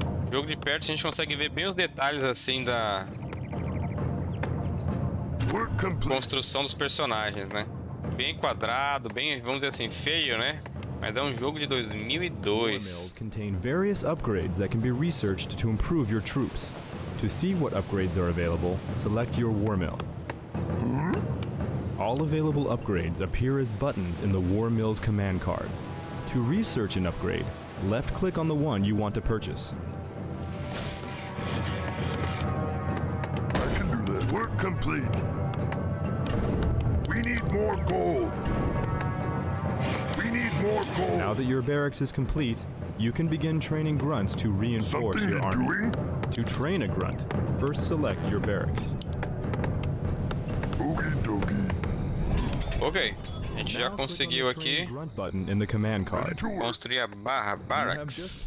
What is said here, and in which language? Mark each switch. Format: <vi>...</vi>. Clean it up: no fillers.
<pt>Jogo de perto, a gente consegue ver bem os detalhes assim da construção dos personagens, né? Bem quadrado, bem, vamos dizer assim, feio, né? Mas é um jogo de 2002.</pt> <en>Contain various upgrades that can be researched to improve your troops. To see what upgrades are available, select your war mill. All available upgrades appear as buttons in the war mill's command card. To research an upgrade, left click on the one you want to purchase. I can do this. Work complete. We need more gold. We need more gold. Now that your barracks is complete, you can begin training grunts to reinforce Something your army. Doing? To train a grunt, first select your barracks. Okie dokie.</en> <pt>Ok, a gente já conseguiu aqui construir a barra barracks.</pt>